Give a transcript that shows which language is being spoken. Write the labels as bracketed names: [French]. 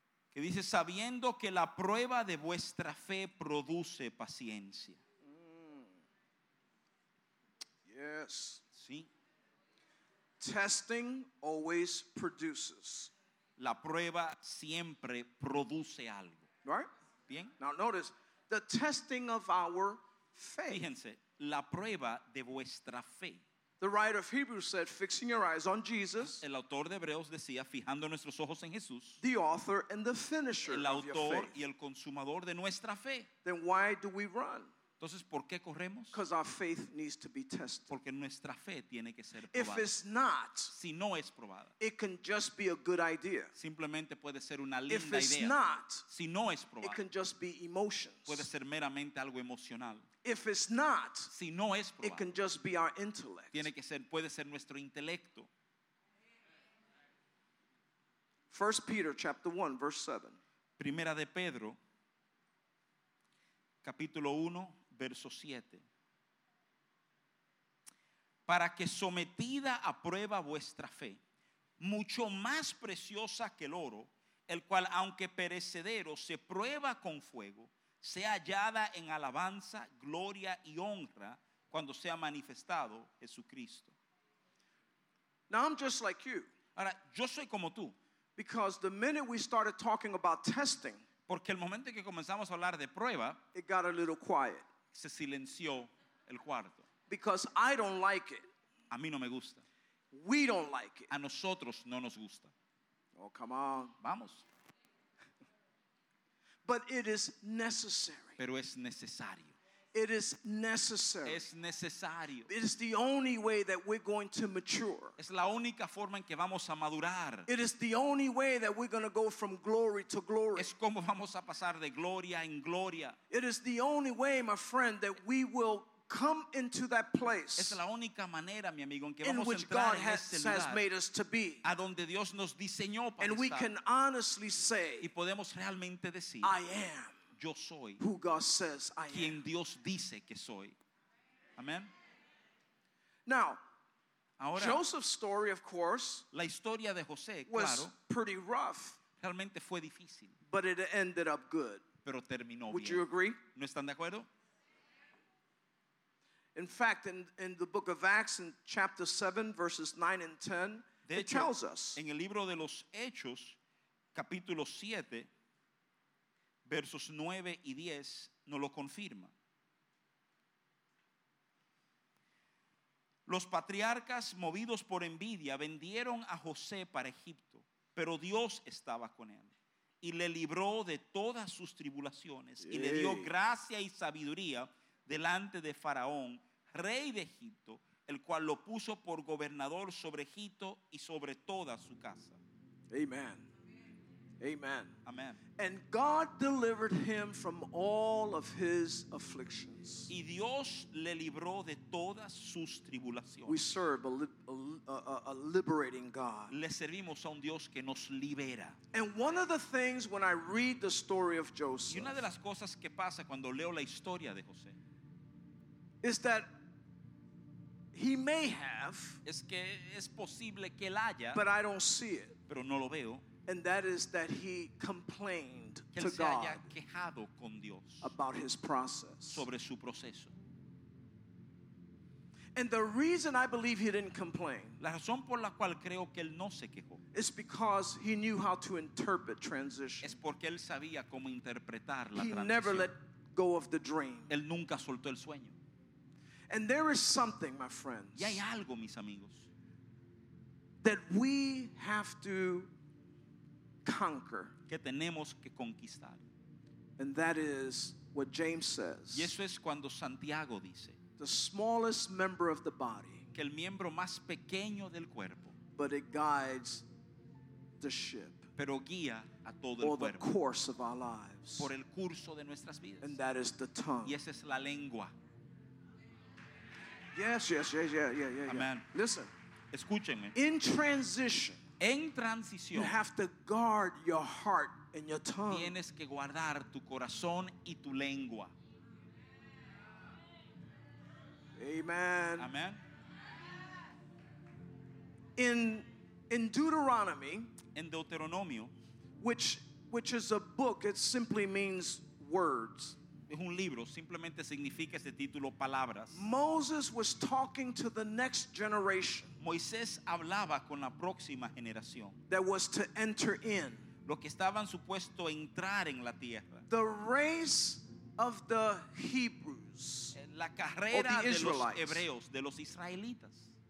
[Spanish] Que dice, sabiendo que la prueba de vuestra fe produce paciencia. [English] Yes. [Spanish] Sí. [English] Testing always produces. [Spanish] La prueba siempre produce algo. [English] Right? [Spanish] Bien. [English] Now notice, the testing of our faith. [Spanish] Fíjense, la prueba de vuestra fe. [English] The writer of Hebrews said, fixing your eyes on Jesus. [Spanish] El autor de Hebreos decía, fijando nuestros ojos en Jesús. [English] The author and the finisher of your faith. [Spanish] El autor y el consumador de nuestra fe. [English] Then why do we run? [Spanish] Entonces, ¿por qué corremos? [English] Because our faith needs to be tested. [Spanish] Porque nuestra fe tiene que ser probada. [English] If it's not, [Spanish] si no es probada, [English] it can just be a good idea. [Spanish] Simplemente puede ser una linda [English] idea. If it's [Spanish] idea. [English] Not, [Spanish] si no es probada, [English] it can just be emotions. [Spanish] Puede ser meramente algo emocional. [English] If it's not, [Spanish] si no es probada, [English] it can just be our intellect. [Spanish] Tiene que ser, puede ser nuestro intelecto. [English] 1 Peter chapter 1, verse 7. [Spanish] Primera de Pedro, capítulo 1, verso 7. Para que sometida a prueba vuestra fe, mucho más preciosa que el oro, el cual aunque perecedero se prueba con fuego, sea hallada en alabanza, gloria y honra cuando sea manifestado Jesucristo. [English] Now I'm just like you. [Spanish] Ahora, yo soy como tú. [English] Because the minute we started talking about testing, [Spanish] porque el momento en que comenzamos a hablar de prueba, [English] it got a little quiet. [Spanish] Se silenció el cuarto. [English] Because I don't like it. [Spanish] A mí no me gusta. [English] We don't like it. [Spanish] A nosotros no nos gusta. [English] Oh, come on. [Spanish] Vamos. [English] But it is necessary. [Spanish] Pero es necesario. [English] It is necessary. [Spanish] Es necesario. [English] It is the only way that we're going to mature. [Spanish] Es la única forma en que vamos a madurar. [English] It is the only way that we're going to go from glory to glory. [Spanish] Es como vamos a pasar de gloria en gloria. [English] It is the only way, my friend, that we will come into that place. [Spanish] Es la única manera, mi amigo, en que [English] in [Spanish] vamos [English] which [Spanish] a entrar [English] God [Spanish] en [English] has, [Spanish] este lugar, [English] has made us to be. [Spanish] A donde Dios nos diseñó para [English] and [Spanish] estar. [English] We can honestly say, [Spanish] y podemos realmente decir, [English] I am. [Spanish] Yo soy [English] who God says I am. [Spanish] Quien Dios dice que soy. Amen. [English] Now, [Spanish] ahora, [English] Joseph's story, of course, [Spanish] la historia de José, [English] was [Spanish] claro, [English] pretty rough. [Spanish] Realmente fue difícil. [English] But it ended up good. [Spanish] Pero terminó [English] Would [Spanish] bien. [English] You agree? [Spanish] ¿No están de acuerdo? [English] In fact, in the book of Acts, in chapter 7, verses 9 and 10, [Spanish] de [English] it [Spanish] hecho, [English] tells us. [Spanish] En el libro de los Hechos, capítulo 7, versos 9 y 10 nos lo confirma. Los patriarcas, movidos por envidia, vendieron a José para Egipto, pero Dios estaba con él y le libró de todas sus tribulaciones y le dio gracia y sabiduría delante de Faraón, rey de Egipto, el cual lo puso por gobernador sobre Egipto y sobre toda su casa. Amén. Amen. [English] Amen. And God delivered him from all of his afflictions. [Spanish] Y Dios le libró de todas sus tribulaciones. [English] We serve a liberating God. [Spanish] Le servimos a un Dios que nos libera. [English] And one of the things when I read the story of Joseph. [Spanish] Y una de las cosas que pasa cuando leo la historia de José. [English] Is that he may have. [Spanish] Es que es posible que él haya. [English] But I don't see it. [Spanish] Pero no lo veo. [English] And that is that he complained to God [Spanish] quejado con Dios [English] about his process. [Spanish] Sobre su proceso. [English] And the reason I believe he didn't complain [Spanish] la razón por la cual creo que él no se quejó [English] is because he knew how to interpret transition. [Spanish] Es porque él sabía cómo interpretar la [English] he [Spanish] transición. [English] Never let go of the dream. [Spanish] Él nunca soltó el sueño. [English] And there is something, my friends, [Spanish] y hay algo, mis amigos, [English] that we have to conquer. [Spanish] Que tenemos que conquistar. [English] And that is what James says. [Spanish] Y eso es cuando Santiago dice, [English] the smallest member of the body, [Spanish] que el miembro más pequeño del cuerpo, [English] but it guides the ship. [Spanish] Pero guía a todo [English] or [Spanish] el cuerpo, [English] the course of our lives. [Spanish] Por el curso de nuestras vidas. [English] And that is the tongue. [Spanish] Y esa es la lengua. [English] Yes. [Spanish] Amen. [English] Listen. [Spanish] Escúchenme. [English] In transition, [Spanish] en transición, [English] you have to guard your heart and your tongue. [Spanish] Tienes que guardar tu corazón y tu lengua. [English] Amen. [Spanish] Amen. [English] In Deuteronomy, [Spanish] en Deuteronomio, [English] which is a book, it simply means words. [Spanish] Es un libro, simplemente significa ese título, palabras. [English] Moses was talking to the next generation. [Spanish] Moisés hablaba con la próxima generación. [English] That was to enter in. [Spanish] Lo que estaban supuesto entrar en la tierra. [English] The race of the Hebrews. [Spanish] La carrera de los hebreos, de los israelitas.